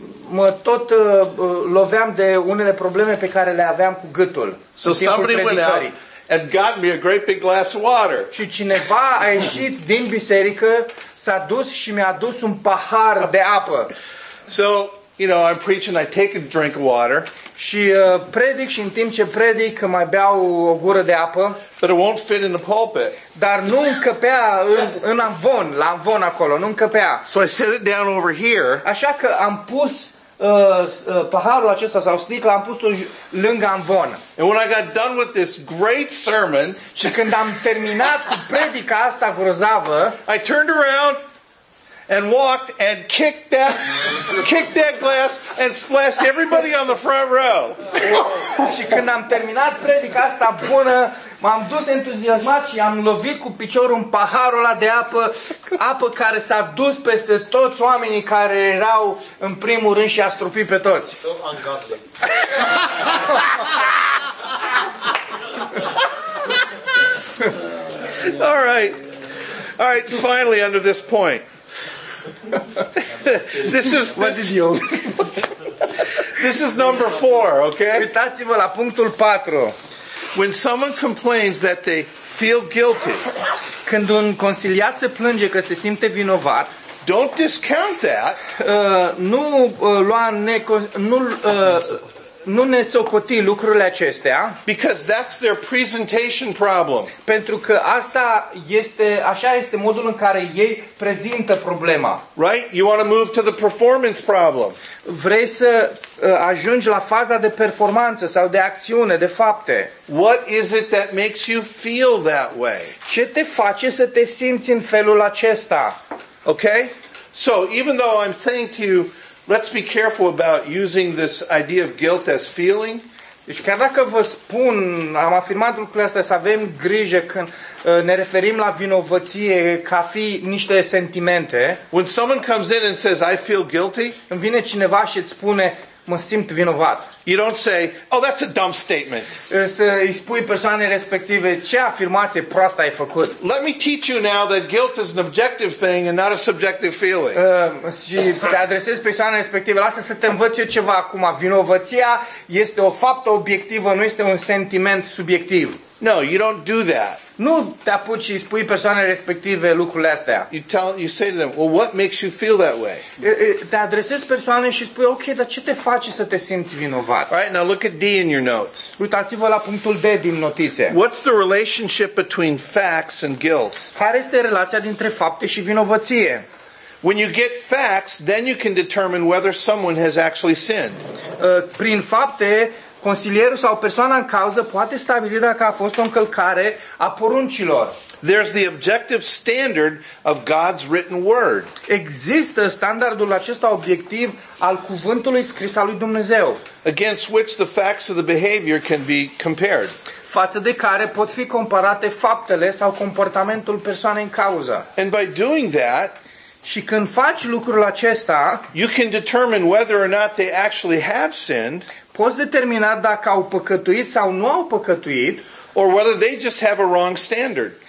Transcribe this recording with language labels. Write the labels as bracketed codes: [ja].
[ro] Mă tot loveam de unele probleme pe care le aveam cu gâtul. [en] So somebody went out and got me a great big glass of water. [ro] Și cineva a ieșit din biserică, s-a dus și mi-a adus un pahar de apă. [en] So, you know, I'm preaching, I take a drink of water. [ro] Și predic și în timp ce predic mai beau o gură de apă. [en] But it won't fit in the pulpit. [ro] Dar nu încăpea în amvon, la amvon acolo, nu încăpea. [en] So I set it down over here. [ro] Așa că am pus paharul acesta sau sticla, am pus-o lângă amvon. [en] And when I got done with this great sermon, [ro] și când am terminat cu predica asta grozavă, [en] I turned around and walked and kicked that glass and splashed everybody on the front row. [ro] Și când am terminat predica asta bună, m-am dus entuziasmat și am lovit cu piciorul în paharul ăla de apă, apă care s-a dus peste toți oamenii care erau în primul rând și a strupit pe toți. [en] All right, finally under this point. This is number 4, okay? [ro] Uitați-vă la punctul 4. [en] When someone complains that they feel guilty, [ro] când un consiliat se plânge că se simte vinovat, [en] don't discount that. [ro] Nu ne socoti lucrurile acestea. [en] Because that's their presentation problem. [ro] Pentru că asta este, așa este modul în care ei prezintă problema. [en] Right? You want to move to the performance problem. [ro] Vrei să ajungi la faza de performanță sau de acțiune, de fapte. [en] What is it that makes you feel that way? [ro] Ce te face să te simți în felul acesta? [en] Okay? So, even though I'm saying to you, let's be careful about using this idea of guilt as feeling. [ro] Deci chiar dacă vă spun, am afirmat lucrurile astea, să avem grijă când ne referim la vinovăție ca fi niște sentimente. [en] When someone comes in and says, I feel guilty, [ro] când vine cineva și îți spune, mă simt vinovat. [en] You don't say, oh, that's a dumb statement. [ro] Să îi spui persoanei respective, ce afirmație proastă ai făcut. [en] Let me teach you now that guilt is an objective thing and not a subjective feeling. [ro] Și te adresezi persoanei respective, lasă să te învăț eu ceva acum. Vinovăția este o faptă obiectivă, nu este un sentiment subiectiv. [en] No, you don't do that. [ro] Nu te apuci și spui persoanei respective lucrurile astea. [en] You say to them, well, what makes you feel that way? [ro] Te adresezi persoanei și spui, ok, dar ce te face să te simți vinovat? [en] All right, now look at D in your notes. [ro] Uitați-vă la punctul D din notițe. [en] What's the relationship between facts and guilt? [ro] Care este relația dintre fapte și vinovăție? [en] When you get facts, then you can determine whether someone has actually sinned. [ro] Prin fapte, consilierul sau persoana în cauză poate stabili dacă a fost o încălcare a poruncilor. [en] There's the objective standard of God's written word. [ro] Există standardul acesta obiectiv al cuvântului scris al lui Dumnezeu. [en] Against which the facts of the behavior can be compared. [ro] Față de care pot fi comparate faptele sau comportamentul persoanei în cauză. [en] And by doing that, [ro] și când faci lucrul acesta, [en] you can determine whether or not they actually have sinned. [ro] Poți determina dacă au păcătuit sau nu au păcătuit, [en] or whether they just have a wrong standard.